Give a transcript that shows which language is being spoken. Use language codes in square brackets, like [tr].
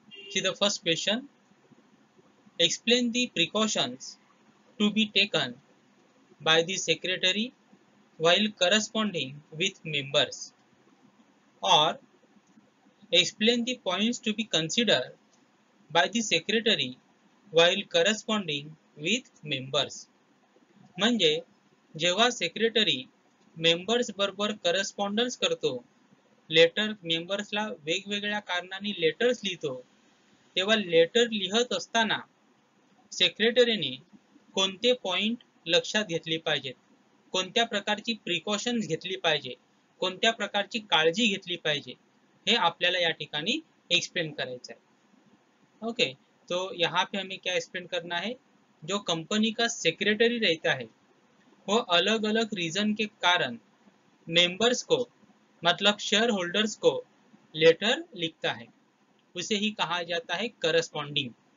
[en] See the first question. Explain the precautions to be taken by the secretary while corresponding with members. Or explain the points to be considered by the secretary while corresponding with members. [mr] म्हणजे जेव्हा secretary members बरोबर correspondence करतो, letter मेंबर्सला वेगवेगळ्या कारणांनी letters लिहितो, तेव्हा letter लिहत असताना सेक्रेटरीने कोणते पॉइंट लक्षात घेतले पाहिजेत, कोणत्या प्रकारची प्रिकॉशन्स घेतली पाहिजे, कोणत्या प्रकारची काळजी घेतली पाहिजे हे आपल्याला या ठिकाणी एक्सप्लेन करायचं आहे. [hi] ओके, तो यहां पे हमें क्या एक्सप्लेन करना है, जो कंपनी का सेक्रेटरी रहता है वो अलग अलग रीजन के कारण मेंबर्स को मतलब शेयर होल्डर्स को लेटर लिखता है, उसे ही कहा जाता है करस्पॉन्डिंग.